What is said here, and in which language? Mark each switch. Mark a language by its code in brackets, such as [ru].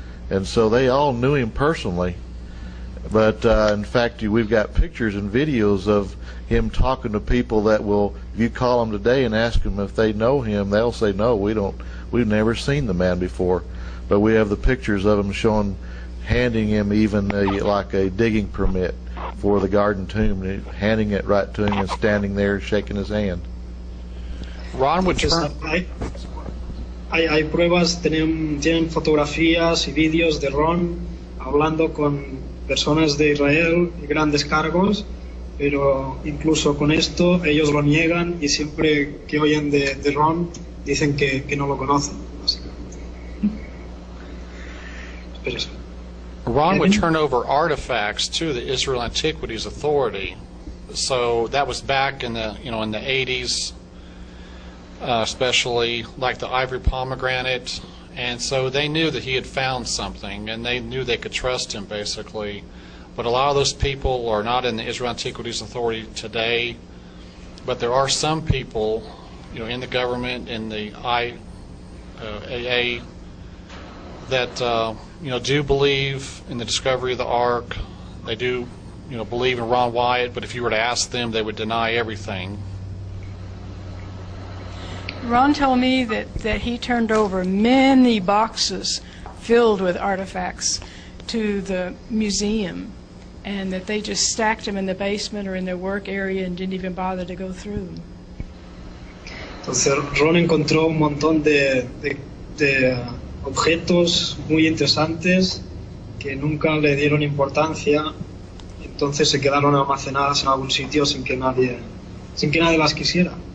[en] And so they all knew him personally. But in fact, we've got pictures and videos of him talking to people that will, if you call them today and ask them if they know him, they'll say, no, we don't, we've never seen the man before. But we have the pictures of him showing, handing him even like a digging permit for the garden tomb, handing it right to him and standing there shaking his hand. Ron would turn... [es] Hay pruebas, tienen fotografías y vídeos de Ron hablando con personas de Israel y grandes cargos, pero incluso con esto ellos lo niegan y siempre que oyen de Ron dicen que no lo conocen, básicamente. [en] Ron would turn over artifacts to the Israel Antiquities Authority, so that was back in the, you know, in the 80s. Especially like the ivory pomegranate, and so they knew that he had found something and they knew they could trust him basically. But a lot of those people are not in the Israel Antiquities Authority today, but there are some people, you know, in the government, in the IAA, that you know, do believe in the discovery of the Ark. They do, you know, believe in Ron Wyatt, but if you were to ask them, they would deny everything. Ron told me that he turned over many boxes filled with artifacts to the museum and that they just stacked them in the basement or in their work area and didn't even bother to go through them. [es] Entonces Ron encontró un montón de de objetos muy interesantes que nunca le dieron importancia, entonces se quedaron almacenadas en algún sitio sin que nadie las quisiera.